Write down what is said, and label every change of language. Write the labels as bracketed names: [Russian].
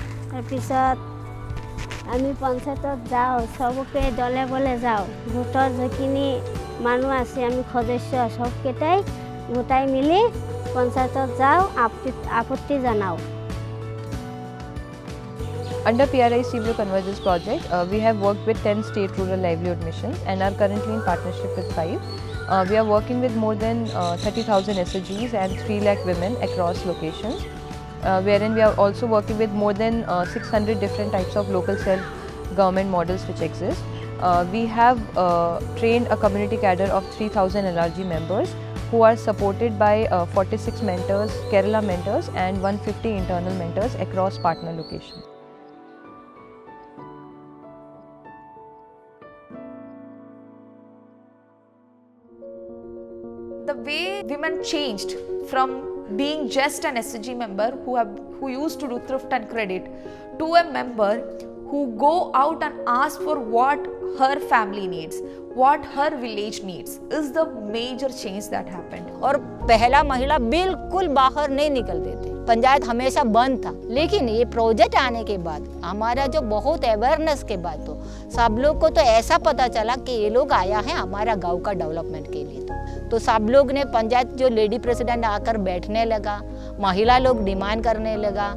[Assamese] তাৰপিছত আমি পঞ্চায়তত যাওঁ, সবকে দলে বলে যাওঁ, গোটৰ যিখিনি মানুহ আছে আমি সদস্য সবকেইটাই গোটাই মিলি পঞ্চায়তত যাওঁ, আপত্তি জনাওঁ। [English] Under PRI CBO Convergence Project, we have worked with 10 state rural livelihood missions and are currently in partnership with 5. We are working with more than 30,000 SOGs and 3 lakh women across locations, wherein we are also working with more than 600 different types of local self-government models which exist. We have trained a community cadre of 3,000 LRG members who are supported by 46 mentors, Kerala mentors and 150 internal mentors across partner locations. The way women changed from being just an SOG member who used to do thrift and credit to a member who go out and ask for what her family needs, what her village needs, is the major change that happened. [Hindi] और पहला महिला बिल्कुल बाहर नहीं निकलते थे, पंचायत हमेशा बंद था, लेकिन ये प्रोजेक्ट आने के बाद हमारा जो बहुत अवेयरनेस के बाद तो सब लोग को तो ऐसा पता चला कि ये लोग आया है हमारा गांव का डेवलपमेंट के लिए। तो सब लोग ने पंचायत जो लेडी प्रेसिडेंट आकर बैठने लगा, महिला लोग डिमांड करने लगा।